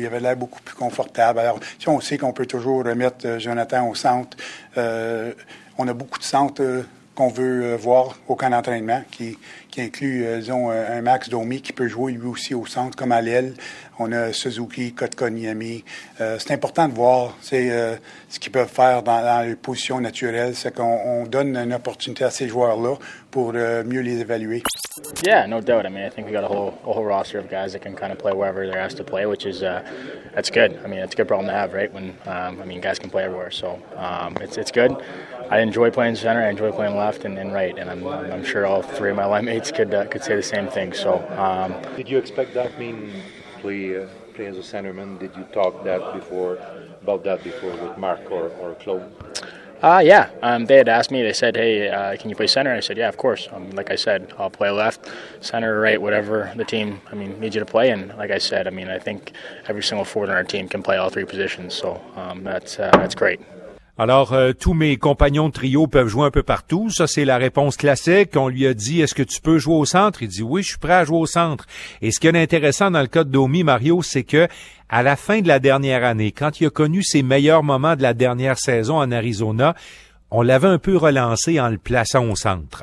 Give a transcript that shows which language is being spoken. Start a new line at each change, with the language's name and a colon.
French: Il avait l'air beaucoup plus confortable. Alors, si on sait qu'on peut toujours remettre Jonathan au centre, on a beaucoup de centres qu'on veut voir au camp d'entraînement qui inclut, un Max Domi qui peut jouer lui aussi au centre comme à l'aile. On a Suzuki, Kotkaniemi. C'est important de voir ce qu'ils peuvent faire dans les positions naturelles. C'est qu'on donne une opportunité à ces joueurs-là pour mieux les évaluer.
English: Yeah, no doubt. I mean, I think we got a whole roster of guys that can kind of play wherever they're asked to play, which is that's good. I mean, it's a good problem to have, right? When guys can play everywhere, so it's good. I enjoy playing center. I enjoy playing left and right, and I'm sure all three of my line mates could say the same thing. So, did you expect that mean play as a centerman? Did you talk that before with Mark or Claude? Yeah, they had asked me. They said, hey, can you play center? I said, yeah, of course. Like I said, I'll play left, center, right, whatever the team needs you to play. And like I said, I think every single forward on our team can play all three positions. So that's great.
French: Alors, tous mes compagnons de trio peuvent jouer un peu partout. Ça, c'est la réponse classique. On lui a dit, est-ce que tu peux jouer au centre? Il dit, oui, je suis prêt à jouer au centre. Et ce qui est intéressant dans le cas de Domi, Mario, c'est que à la fin de la dernière année, quand il a connu ses meilleurs moments de la dernière saison en Arizona, on l'avait un peu relancé en le plaçant au centre.